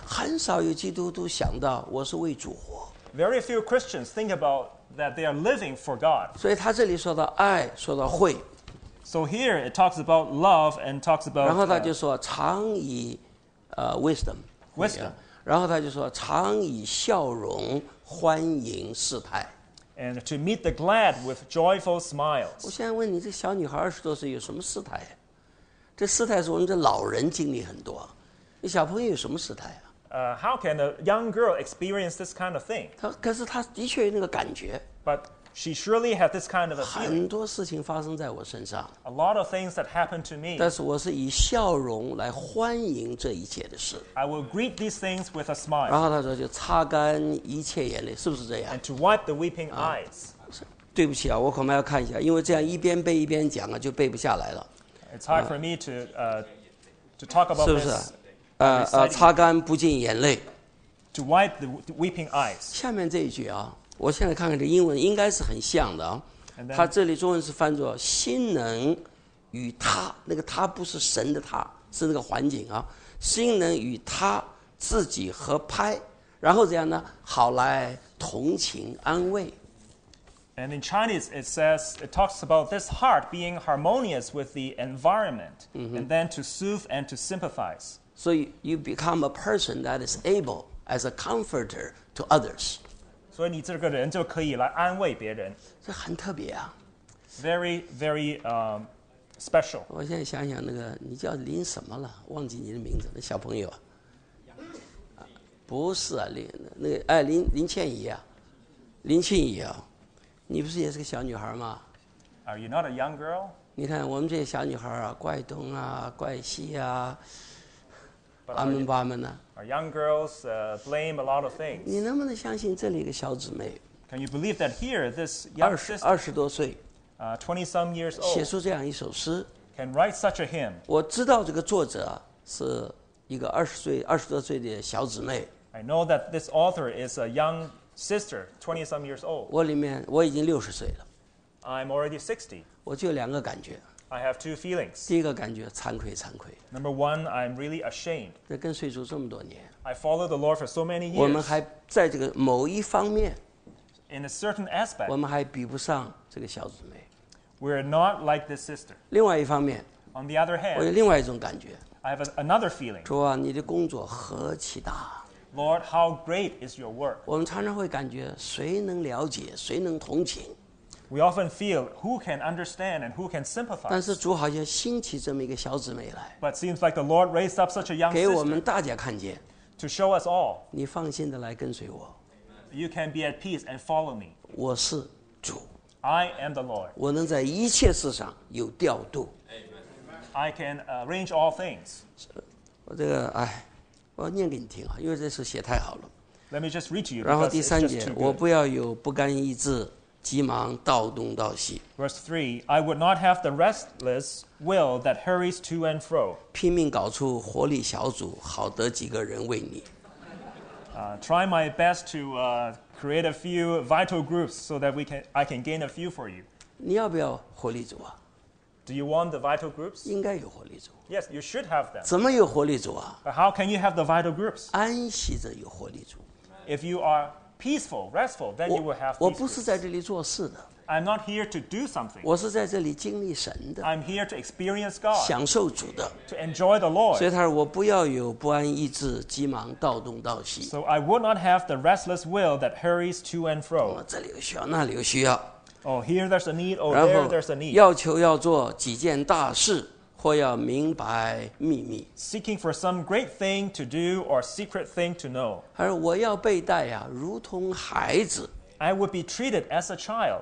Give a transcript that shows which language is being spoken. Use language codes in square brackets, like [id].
[zh] 很少有基督徒想到我是为主活。 [en] Very few Christians think about that they are living for God. [zh] 所以他这里说到爱，说到会。 [en] So here it talks about love and talks about. [zh] 然后他就说常以wisdom. [en] Wisdom. [zh] 然后他就说常以笑容欢迎试探。 [en] And to meet the glad with joyful smiles. [zh] 我现在问你这小女孩二十多岁有什么试探、啊、这试探是我们这老人经历很多。你小朋友有什么试探、啊 [en] how can a young girl experience this kind of thing? [zh] 可是她的确有那个感觉。 [en] But she surely had this kind of a feeling. [zh] 很多事情发生在我身上。 [en] A lot of things that happened to me. [zh] 但是我是以笑容来欢迎这一切的事。 [en] I will greet these things with a smile. [zh] 然后他说就擦干一切眼泪，是不是这样？ [en] And to wipe the weeping eyes. [zh] 对不起啊，我恐怕要看一下，因为这样一边背一边讲啊，就背不下来了。 [en] It's hard for me to talk about this. [zh] 是不是？擦干不尽眼泪。 [en] To wipe the weeping eyes. [zh] 下面这一句啊。我现在看看这英文应该是很像的、啊、他这里中文是翻作心能与他，那个他不是神的他，是那个环境啊，心能与他自己合拍，然后怎样呢，好来同情安慰。 [en] And in Chinese it says, it talks about this heart being harmonious with the environment, and then to soothe and to sympathize. So you become a person that is able as a comforter to others. [zh] 所以你这个人就可以来安慰别人，这很特别啊 [en] ，very very special。 [zh] 我现在想想那个你叫林什么了，忘记你的名字，那小朋友，不是啊，林那个哎林倩怡啊，林倩怡啊，你不是也是个小女孩吗 [en] ？Are you not a young girl？ [zh] 你看我们这些小女孩啊，怪东啊，怪西啊。阿门吧阿门呢 [en] ？Our young girls blame a lot of things. [zh] 你能不能相信这里一个小姊妹 [en] ？Can you believe that here this young sister [zh] 二十多岁 [en] ，20 some years old [zh] 写出这样一首诗 [en] ？Can write such a hymn. [zh] 我知道这个作者是一个二十多岁的小姊妹。 [en] I know that this author is a young sister, 20 some years old. [zh] 我已经60岁了。 [en] I'm already 60. [zh] 我就有两个感觉。 [en] I have two feelings. [zh] 第一个感觉惭愧惭愧。 [en] Number one, I'm really ashamed. [zh] 这跟随主这么多年。 [en] I followed the Lord for so many years. [zh] 我们还在这个某一方面。 [en] In a certain aspect. [zh] 我们还比不上这个小姊妹。 [en] We're not like this sister. [zh] 另外一方面。 [en] On the other hand. [zh] 我有另外一种感觉。 [en] I have another feeling. [zh] 主啊，你的工作何其大。 [en] Lord, how great is your work? [zh] 我们常常会感觉谁能了解，谁能同情。 [en] We often feel who can understand and who can sympathize. [zh] 但是主好像兴起这么一个小姊妹来。 [en] But seems like the Lord raised up such a young sister. [zh] 给我们大家看见。 [en] To show us all. [zh] 你放心的来跟随我。 [en] You can be at peace and follow me. [zh] 我是主。 [en] I am the Lord. [zh] 我能在一切事上有调度。 [en] I can arrange all things. [zh] 我这个哎，我要念给你听啊，因为这首写太好了。 [en] Let me just read to you. [zh] 然后第三节，我不要有不甘意志。急忙到东到西。 [en] Verse 3, I would not have the restless will that hurries to and fro. [zh] 拼命搞出活力小组，好得几个人为你。 [en] Try my best to create a few vital groups so that I can gain a few for you. [zh] 你要不要活力组啊 [en] ？Do you want the vital groups? [zh] 应该有活力组。 [en] Yes, you should have them. [zh] 怎么有活力组啊 [en] ？But how can you have the vital groups? [zh] 安息着有活力组。 [en] If you are peaceful, restful, then you will have peace. [zh] 我不是在这里做事的。 [en] I'm not here to do something. [zh] 我是在这里经历神的。 [en] I'm here to experience God. [zh] 享受主的。 [en] To enjoy the Lord. [zh] 所以他说我不要有不安意志，急忙到东到西。 [en] So I would not have the restless will that hurries to and fro. [zh] 这里有需要，那里有需要。 [en] Oh, here there's a need. Oh, there there's a need. [zh] 要求要做几件大事，或要明白秘密。 [en] Seeking for some great thing to do or secret thing to know. [zh] 他说我要被待呀，如同孩子。 [en] I would be treated as a child.